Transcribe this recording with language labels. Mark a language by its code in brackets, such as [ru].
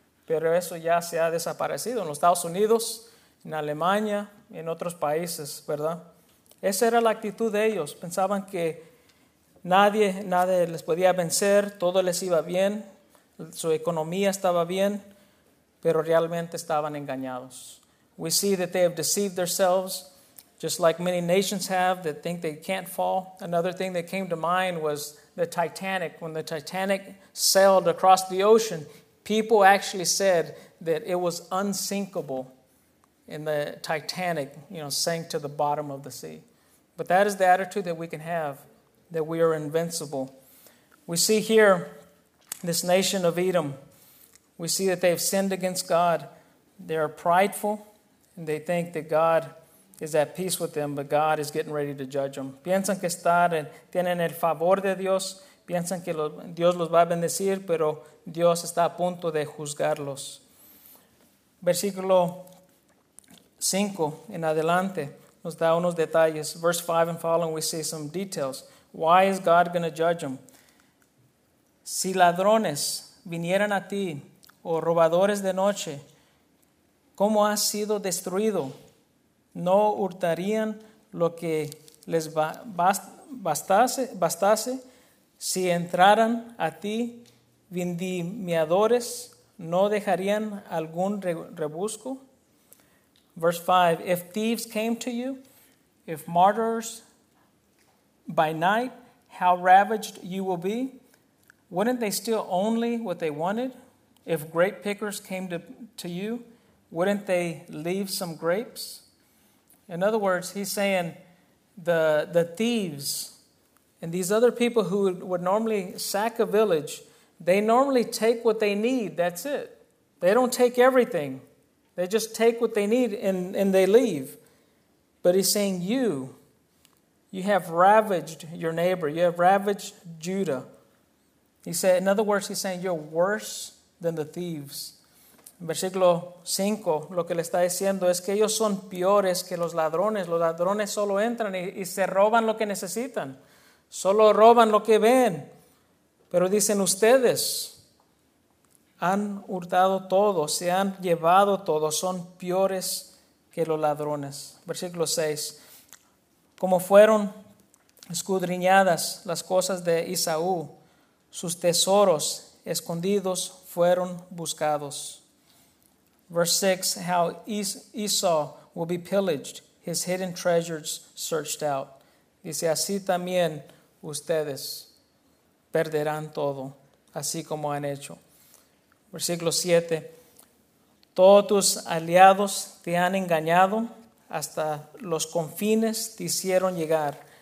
[es] Pero eso ya se ha desaparecido en los Estados Unidos, en Alemania, en otros países, ¿verdad? Esa era la actitud de ellos. Pensaban que nadie les podía vencer, todo les iba bien, su economía estaba bien, pero realmente estaban engañados. [en] We see that they have deceived themselves, just like many nations have, that think they can't fall. Another thing that came to mind was the Titanic. When the Titanic sailed across the ocean, people actually said that it was unsinkable and the Titanic, you know, sank to the bottom of the sea. But that is the attitude that we can have, that we are invincible. We see here this nation of Edom. We see that they've sinned against God. They are prideful and they think that God is at peace with them, but God is getting ready to judge them. [es] Piensan que tienen el favor de Dios. Piensan que Dios los va a bendecir, pero Dios está a punto de juzgarlos. Versículo 5 en adelante nos da unos detalles. [en] Verse 5 and following, we see some details. Why is God going to judge them? [es] Si ladrones vinieran a ti, o robadores de noche, ¿cómo has sido destruido? ¿No hurtarían lo que les bastase? Si entraran a ti vendimiadores, ¿no dejarían algún rebusco? [en] Verse 5, if thieves came to you, if murderers by night, how ravaged you will be. Wouldn't they steal only what they wanted? If grape pickers came to you, wouldn't they leave some grapes? In other words, he's saying the thieves and these other people who would normally sack a village, they normally take what they need. That's it. They don't take everything. They just take what they need and they leave. But he's saying you have ravaged your neighbor. You have ravaged Judah. He said, in other words, he's saying you're worse than the thieves. [es] Versículo 5, lo que le está diciendo es que ellos son peores que los ladrones. Los ladrones solo entran y se roban lo que necesitan. Solo roban lo que ven. Pero dicen, ustedes han hurtado todo, se han llevado todo, son peores que los ladrones. Versículo 6, como fueron escudriñadas las cosas de Esaú, sus tesoros escondidos fueron buscados. [en] Verse 6, how Esau will be pillaged, his hidden treasures searched out. [es] Dice, así también ustedes perderán todo, así como han hecho. Versículo 7, todos tus aliados te han engañado, hasta los confines te hicieron llegar.